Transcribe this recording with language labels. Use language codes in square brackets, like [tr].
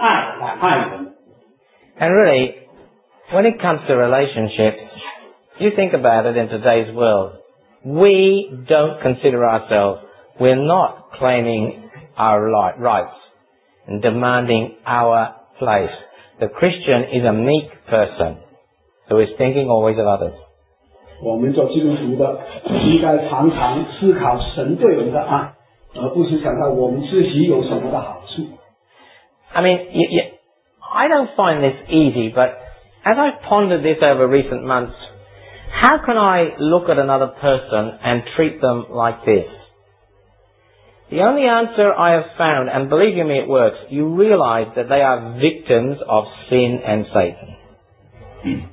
[zh] 神就是因为有这样的，他才这样的爱我们，完完全全。虽然我们是死在罪恶过程当中，他也是用自己的爱来爱我们。And [en] really, when it comes to relationships, you think about it in today's world, we don't consider ourselves. We're not claiming our rights and demanding our place. the Christian is a meek person who is thinking always of others. [zh] 我们做基督徒的应该常常思考神对我们的爱，而不是想到我们自己有什么的好处。 [en] I mean, I don't find this easy, but as I've pondered this over recent months, how can I look at another person and treat them like this? The only answer I have found, and believe you me, it works, you realize that they are victims of sin and Satan.